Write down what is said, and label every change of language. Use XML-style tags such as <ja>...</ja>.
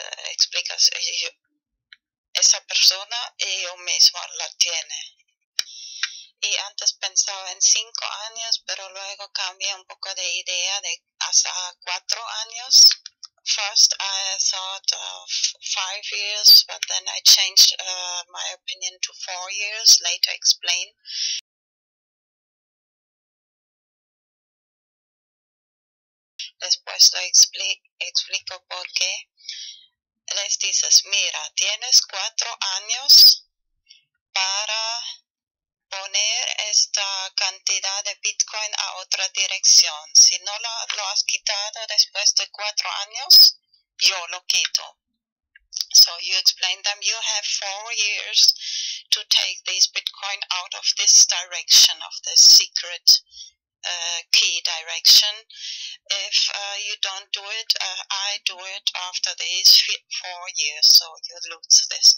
<es>Explicas, esa persona y yo mismo la tiene. Y antes pensaba en 5 años, pero luego cambié un poco de idea de hasta 4 años.</es> <en>First, I thought of 5 years, but then I changed my opinion to 4 years. Later, explain.</en> <es>Después, lo explico por qué. Les dices, mira, tienes 4 años para poner esta cantidad de Bitcoin a otra dirección. Si no lo has quitado después de 4 años, yo lo quito.</es> <en>So you explain them, you have 4 years to take this Bitcoin out of this direction, of this secret key direction. If you don't do it, I do it after these 4 years, so you lose this.</en>